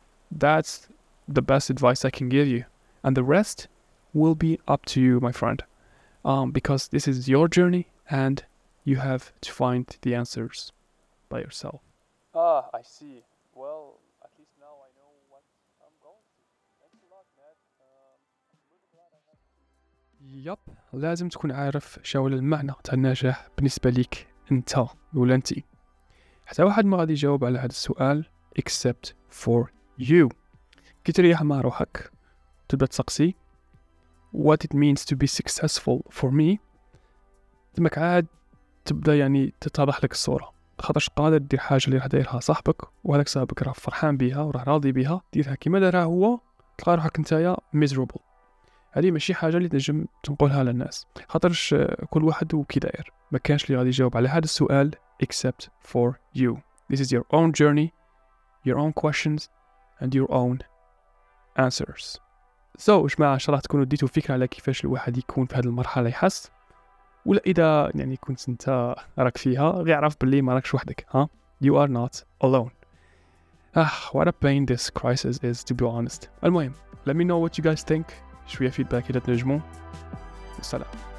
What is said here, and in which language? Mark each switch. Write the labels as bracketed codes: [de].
[en] That's the best advice I can give you. And the rest will be up to you, my friend. Because this is your journey and you have to find the answers by yourself. Ah, I see. Well, at least now I know what I'm going to. Thanks a lot, Ned. Yup, [ar] لازم تكون عارف شو المعنى تاع النجاح بالنسبة ليك انت ولا انت. حتى واحد ما غادي يجاوب على هذا السؤال [en] except for you. [ar] كي تريح مع روحك تبدا تسقسي [en] what it means to be successful for me. [ar] تمك عاد تبدا يعني تتضح لك الصوره، خاطرش قادر دير حاجه اللي راه دايرها صاحبك وهذاك صاحبك راه فرحان بها وراه راضي بها، ديرها كيما دارها هو تلقى روحك نتايا miserable. هذه ماشي حاجه اللي تنجم تنقولها للناس، خاطرش كل واحد وكي داير، ما كانش اللي غادي يجاوب على هذا السؤال [en] except for you. This is your own journey, your own questions and your own answers. [ar] So جماعة ان شاء الله تكونوا ديتوا فكره على كيفاش الواحد يكون في هذه المرحله يحس، ولا اذا يعني كنت انت راك فيها غير عرف باللي ما راكش وحدك. ها [en] you are not alone. What a pain this crisis is, to be honest. [ar] المهم [en] let me know what you guys think. [ar] شوية فيدباك إذا تنجمو. السلام.